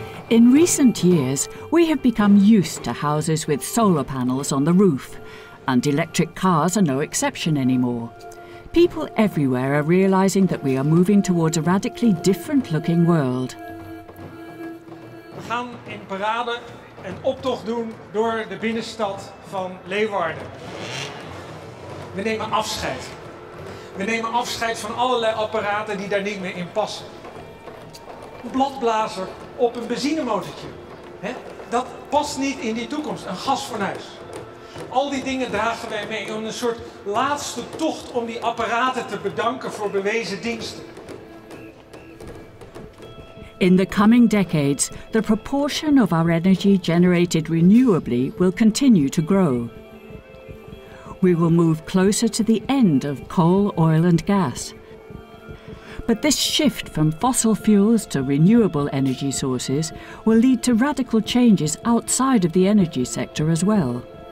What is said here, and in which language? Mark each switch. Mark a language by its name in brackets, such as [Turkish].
[English] In recent years, we have become used to houses with solar panels on the roof, and electric cars are no exception anymore. People everywhere are realizing that we are moving towards a radically different looking world. [Dutch] We gaan in parade een optocht doen door de binnenstad van Leeuwarden. We nemen afscheid. We nemen afscheid van allerlei apparaten die daar niet meer in passen. Een bladblazer op een benzinemotortje. Hè? Dat past niet in die toekomst, een gasfornuis. Al die dingen dragen wij mee om een soort laatste tocht om die apparaten te bedanken voor bewezen diensten. [English] In the coming decades, the proportion of our energy generated renewably will continue to grow. We will move closer to the end of coal, oil and gas. But this shift from fossil fuels to renewable energy sources will lead to radical changes outside of the energy sector as well.